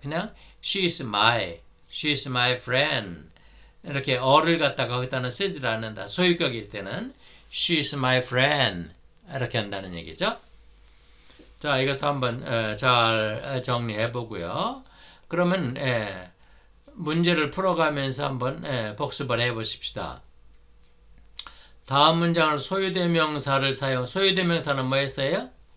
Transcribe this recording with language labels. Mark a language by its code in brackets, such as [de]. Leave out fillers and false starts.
[en] 그냥 She is my friend. [ko] 이렇게 어를 갖다가 거기다는 쓰지를 않는다. 소유격일 때는 [en] She is my friend. [ko] 이렇게 한다는 얘기죠. 자, 이것도 한번 잘 정리해 보고요. 그러면 문제를 풀어가면서 한번 복습을 해 보십시다. 다음 문장을 소유대명사를 사용. 소유대명사는 뭐 했어요?